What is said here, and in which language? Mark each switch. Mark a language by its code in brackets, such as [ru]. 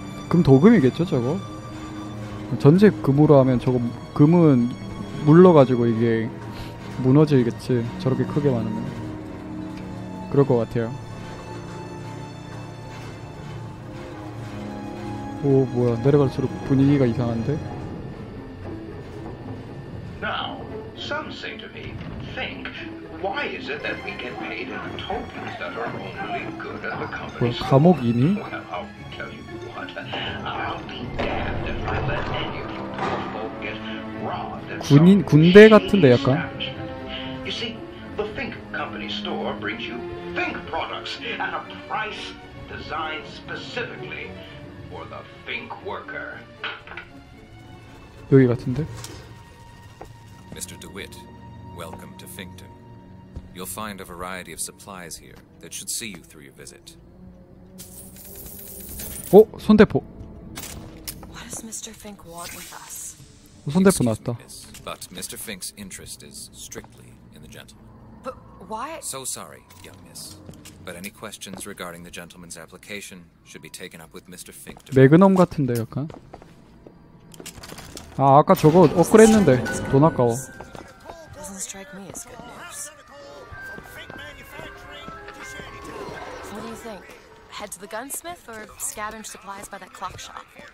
[ko] 금 도금이겠죠 저거? 전체 금으로 하면 저거 금은 물러가지고 이게 무너지겠지. 저렇게 크게 많으면 그럴 것 같아요. 오 뭐야, 내려갈수록 분위기가 이상한데? [en] Now, some say to me, think, why is it that we get paid in tokens that are only good at the company's store? Well, I'll tell you what, I'll be damned if I let any of you poor folk get robbed at some cheap shop. You see, the Think Company store brings you Think products at a price designed specifically for the Think worker. [ko] 여기 같은데? [en] Mr. DeWitt, welcome to Finkton. You'll find a variety of supplies here that should see you through your visit. [ko] 오, 손대포. [en] What does Mr. Fink want with us? [ko] 손대포 나왔다. [en] But Mr. Fink's interest is strictly in the gentleman. But why? So sorry, young miss. But any questions regarding the gentleman's application should be taken up with Mr. Fink. [ko] 매그넘 같은데 약간. 아, 아까 저거 업그레이드했는데 돈 아까워. [en] Doesn't strike me as good news. What do you think? Head to the gunsmith or scavenge supplies by that clock shop?